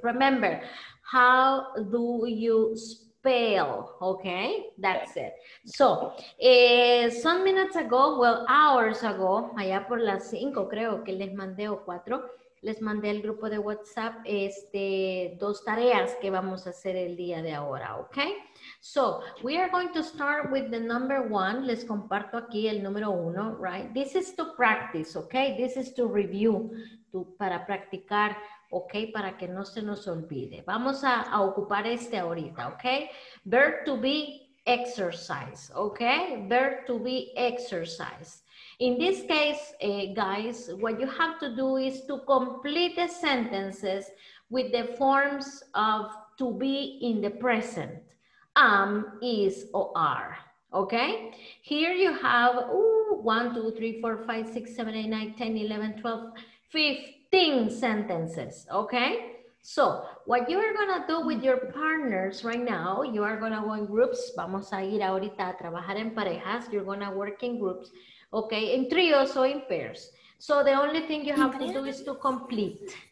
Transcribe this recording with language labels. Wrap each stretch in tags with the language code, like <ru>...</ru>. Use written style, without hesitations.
<en>Remember, how do you spell? Okay. That's it.</en> <es>So, some minutes ago, well, hours ago, allá por las 5, creo que les mandé, o 4, les mandé al grupo de WhatsApp dos tareas que vamos a hacer el día de ahora, okay?</es> <en>So, we are going to start with the number one.</en> <es>Les comparto aquí el número uno, right? This is to practice, okay?</es> <en>This is to review, para practicar, okay?</en> <es>Para que no se nos olvide. Vamos a ocupar este ahorita, okay?</es> <en>Verb to be exercise, okay? Verb to be exercise. In this case, guys, what you have to do is to complete the sentences with the forms of to be in the present. Am, is, or are. Okay? Here you have 1, 2, 3, 4, 5, 6, 7, 8, 9, 10, 11, 12, 15 sentences. Okay? So, what you are going to do with your partners right now, you are going to go in groups.</en> <es>Vamos a ir ahorita a trabajar en parejas.</es> <en>You're going to work in groups. Okay, in trios or in pairs. So the only thing you have to do is to complete.</en>